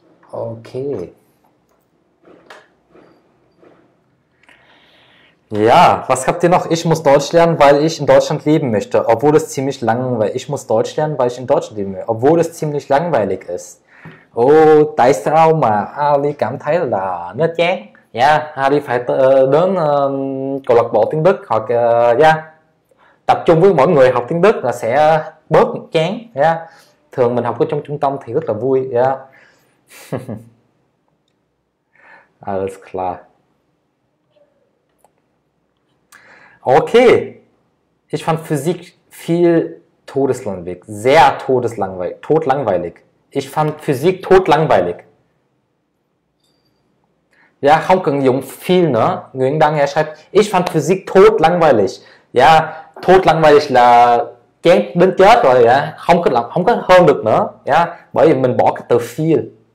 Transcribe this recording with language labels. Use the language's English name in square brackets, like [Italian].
[German] Okay. Ja, was habt ihr noch? Ich muss Deutsch lernen, weil ich in Deutschland leben möchte. Obwohl es ziemlich langweilig ist. Ich muss Deutsch lernen, weil ich in Deutschland leben möchte. Obwohl es ziemlich langweilig ist. [Vietnamese] Oh, tại sao mà Ali cảm thấy là nó chán? Ja, Ali phải đến câu lạc bộ tiếng Đức hoặc tập trung với mọi người học tiếng Đức là sẽ bớt chán. Thường mình học ở trong trung tâm thì rất là vui. [German] Alles klar. Okay, ich fand Physik viel todeslangweilig, sehr todeslangweilig, todlangweilig. Ich fand Physik todlangweilig. [Vietnamese] Ja, không cần dùng viel, ne? [German] Nguyễn Đăng schreibt, ich fand Physik todlangweilig. [Vietnamese] Ja, todlangweilig là chán đến chết rồi, ja? Không có hơn được nữa, ja? Bởi vì mình bỏ cái từ viel.